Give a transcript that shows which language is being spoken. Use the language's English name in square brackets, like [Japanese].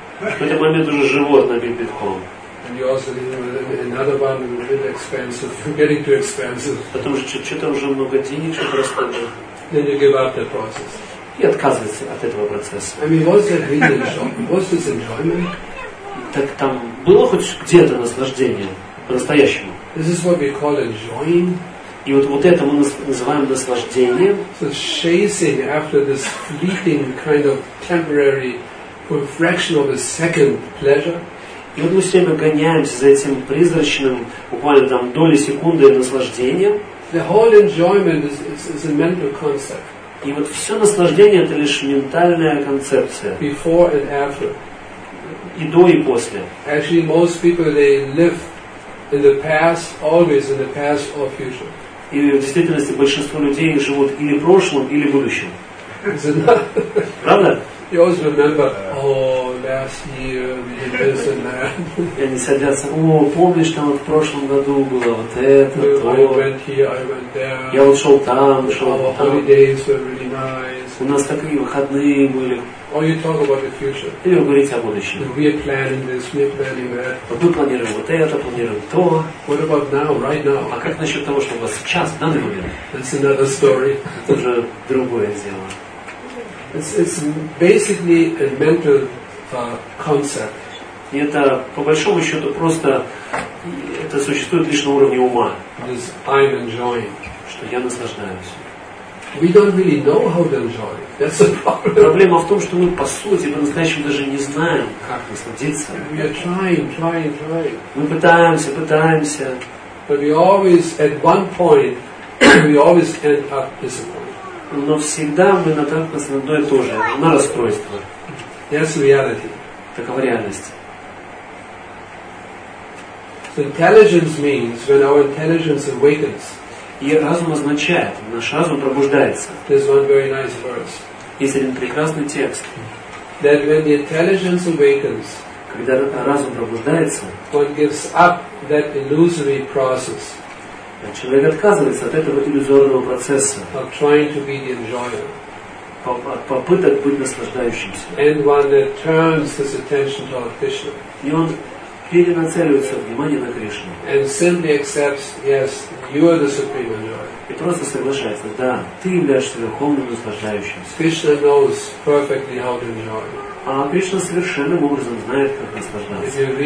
[Russian] В этот момент уже живот набит битком. [English] And you also another one a bit expensive, getting too expensive. [Russian] Потом же что-то уже много денег, что-то расходы. [English] Then you give up the process. [Russian] И отказываешься от этого процесса. [English] I mean, was that really enjoyment? Was this enjoyment? [Russian] Так там было хоть где-то наслаждение по-настоящему. [English] This is what we call enjoying. [Russian] И вот это мы называем наслаждением. [English] So chasing after this fleeting kind of temporary, for a fraction of a second pleasure. [Russian] И вот мы все время гоняемся за этим призрачным, буквально там доли секунды наслаждением. [English] The whole enjoyment is a mental concept. [Russian] И вот все наслаждение это лишь ментальная концепция. [English] Before and after. [Russian] И до и после. [English] Actually, most people they live in the past, always in the past or future. [Russian] И в действительности большинство людей живут или в прошлом, или в будущем. Правда? [English] You always remember, last year we did this and that. [Russian] И они садятся, помнишь, там вот в прошлом году было вот это, то. [English] I went here, I went there. [Russian] Я вот шел там. [English] Our holidays were really nice. [Russian] У нас такие выходные были. [English] Or you talk about the future. [Russian] Или вы говорите о будущем. [English] We are planning this, we are planning that. [Russian] Вот мы планируем вот это, планируем то. [English] What about now, right now? [Russian] А как насчет того, что у вас сейчас, в данный момент? [English] That's another story. [Russian] Это уже другое дело. [English] It's basically a mental concept. [Russian] И это по большому счету просто это существует лишь на уровне ума. [English] This I'm enjoying. [Russian] Что я наслаждаюсь. [English] We don't really know how to enjoy. That's the problem. [Russian] Проблема в том, что мы по сути по-настоящему даже не знаем, как насладиться. [English] We are trying. [Russian] Мы пытаемся. [English] But we always, at one point, we always end up disappointed. [Russian] Но всегда мы наталкиваемся на одно и то же, на расстройство. [English] That's reality. [Russian] Такова реальность. [English] So intelligence means when our intelligence awakens. [Russian] И разум означает, наш разум пробуждается. [English] There's one very nice verse. [Russian] Есть один прекрасный текст. [English] That when the intelligence awakens, [Russian] когда разум пробуждается, [English] one gives up that illusory process. [Russian] Человек отказывается от этого иллюзорного процесса. [English] Of trying to be the enjoyer. [Russian] От попыток быть наслаждающимся. [English] And one turns his attention to Krishna. [Russian] И он перенацеливается внимание на Кришну. [English] And simply accepts, yes, you are the supreme enjoyer. [Russian] И просто соглашается, да, ты являешься верховным наслаждающимся. [English] Krishna knows perfectly how to enjoy. [Russian] А Кришна совершенным образом знает, как наслаждаться.